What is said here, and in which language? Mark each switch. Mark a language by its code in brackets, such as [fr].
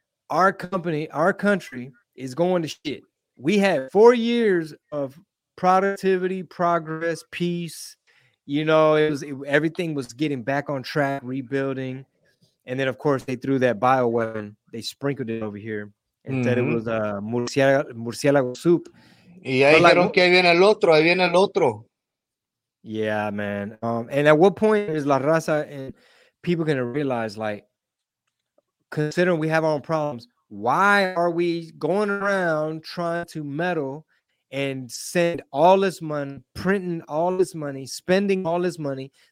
[en] our company, our country is going to shit. We had 4 years of productivity, progress, peace. You know, everything was getting back on track, rebuilding. And then, of course, they threw that bioweapon. They sprinkled it over here and said it was murciélago soup. [es] Y ahí dijeron que viene el otro, ahí viene el otro. [en] Yeah, man. And at what point is La Raza and people going to realize, like, considering we have our own problems, why are we going around trying to meddle and send all this money, printing all this money, spending all this money?